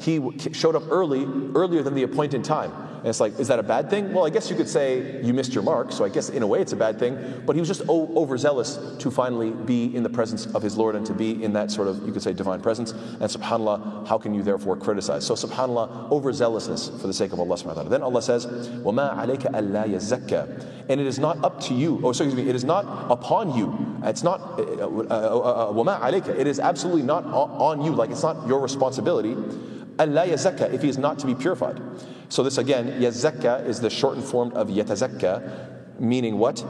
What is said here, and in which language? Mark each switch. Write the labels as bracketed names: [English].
[English] He showed up earlier than the appointed time. And it's like, is that a bad thing? Well, I guess you could say you missed your mark, so I guess in a way it's a bad thing. But he was just overzealous to finally be in the presence of his Lord and to be in that sort of, you could say, divine presence. And subhanAllah, how can you therefore criticize? So subhanAllah, overzealousness for the sake of Allah subhanahu wa ta'ala. Then Allah says, [Arabic] وَمَا عَلَيْكَ أَلَّا يَزَّكَّ. [English] And it is not up to you, it is not upon you. It's not, [Arabic] وَمَا عَلَيْكَ. [English] It is absolutely not on you, like it's not your responsibility. [Arabic] أَلَّا يَزَّكَّ, [English] if he is not to be purified. So this again, yazakka is the shortened form of yatazakka, meaning what?